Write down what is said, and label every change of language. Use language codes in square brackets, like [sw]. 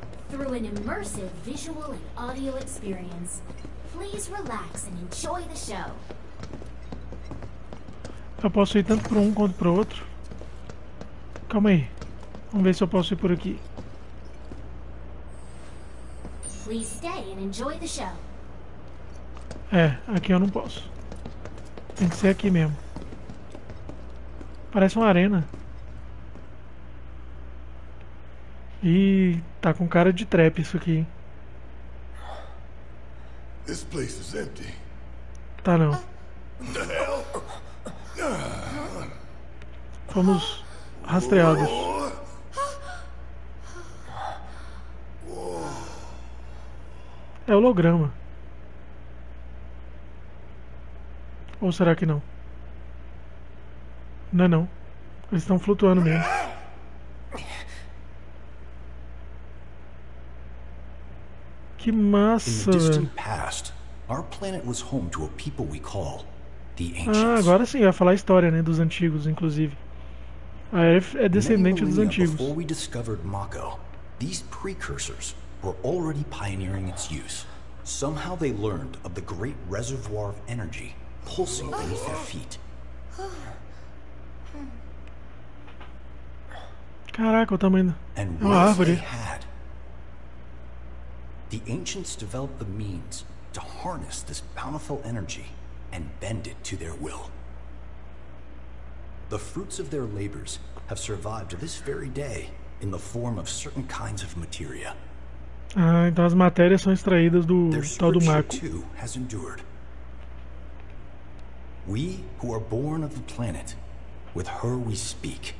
[en] Through an immersive visual and audio experience, please relax and enjoy the show. [pt] Eu posso ir tanto para um quanto para o outro. Calma aí. Vamos ver se eu posso ir por aqui. [en] Please stay and enjoy the show. [pt] É, aqui eu não posso. Tem que ser aqui mesmo. Parece uma arena. Ih, tá com cara de trap isso aqui. [en] This place is empty. [pt] Tá não. [en] The hell? [pt] Fomos rastreados. É holograma. Ou será que não? Não é não. Eles estão flutuando mesmo. Que massa. [en] In the distant past, our planet was home to a people we call. [pt] Ah, agora sim, vai falar a história, né, dos antigos, inclusive. A Aerith é descendente dos antigos. [en] Before we discovered Mako, these precursors were already pioneering its use. Somehow they learned of the great reservoir of energy pulsing beneath their feet. [pt] Caraca, o tamanho da árvore. [en] The ancients developed the means to harness this bountiful energy and bend it to their will. The fruits of their labors have survived to this very day in the form of certain kinds of materia. [pt] Ah, então as matérias são extraídas do tal do Mako. [en] Too has endured. We who are born of the planet, with her we speak.